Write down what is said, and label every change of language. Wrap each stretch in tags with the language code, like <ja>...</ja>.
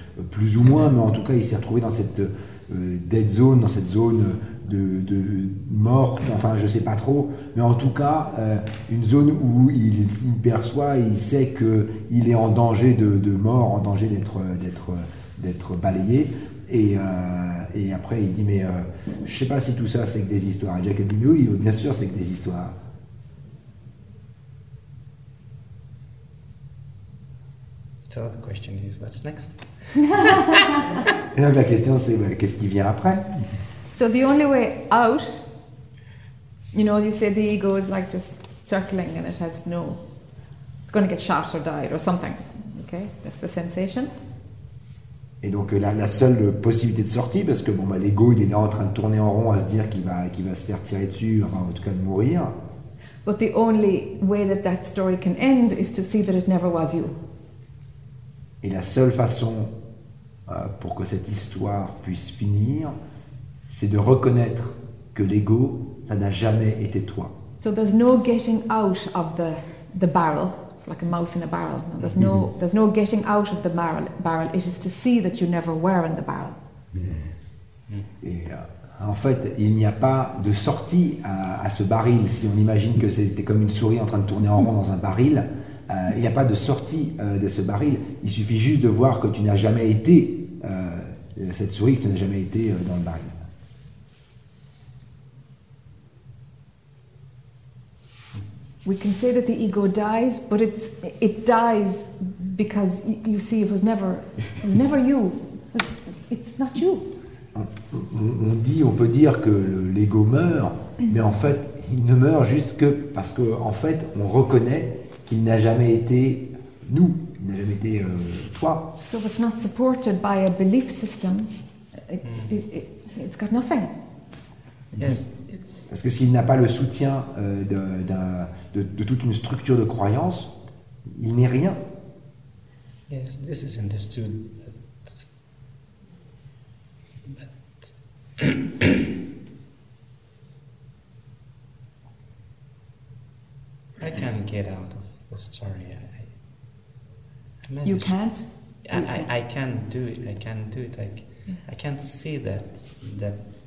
<fr>plus ou moins, mais en tout cas il s'est retrouvé dans cette</fr> <en>dead zone,</en> <fr>dans cette zone de morte, enfin je sais pas trop, mais en tout cas une zone où il perçoit, il sait que il est en danger de mort, en danger d'être balayé, et après il dit mais je sais pas si tout ça c'est que des histoires. Et Jacques dit oui, bien sûr c'est que des histoires.</fr> <en>So the question is, what's next?</en> <fr>Et donc la question c'est qu'est-ce qui vient après?</fr> <en>So the only way out, you know, you say the ego is like just circling and it has no, it's going to get shot or died or something, okay? That's the sensation.</en> <fr>Et donc la seule possibilité de sortie, parce que bon bah l'ego il est là en train de tourner en rond à se dire qu'il va se faire tirer dessus, enfin, en tout cas de mourir.</fr> <en>But the only way that that story can end is to see that it never was you.</en> <fr>Et la seule façon pour que cette histoire puisse finir, c'est de reconnaître que l'ego, ça n'a jamais été toi.</fr> <en>So there's no getting out of the barrel. It's like a mouse in a barrel. No, there's no getting out of the barrel. It is to see that you never were in the barrel.</en> <fr>Et en fait, il n'y a pas de sortie à ce baril. Si on imagine que c'était comme une souris en train de tourner en rond dans un baril, il n'y a pas de sortie de ce baril. Il suffit juste de voir que tu n'as jamais été cette souris, que tu n'as jamais été dans le baril.</fr> <en>We can say that the ego dies, but it dies because you see it was never you. It's not you.</en> <fr>On dit, on peut dire que l'ego meurt, mais en fait, il ne meurt juste que parce que en fait, on reconnaît qu'il n'a jamais été nous, il n'a jamais été toi.</fr> <en>So if it's not supported by a belief system, it's got nothing. Yes.</en> <fr>Parce que s'il n'a pas le soutien de toute une structure de croyance, il n'est rien.</fr> <en>Yes, this is understood. But I can't get out of the story. You can't? I can't do it. I can't do it. I can't see that.</en>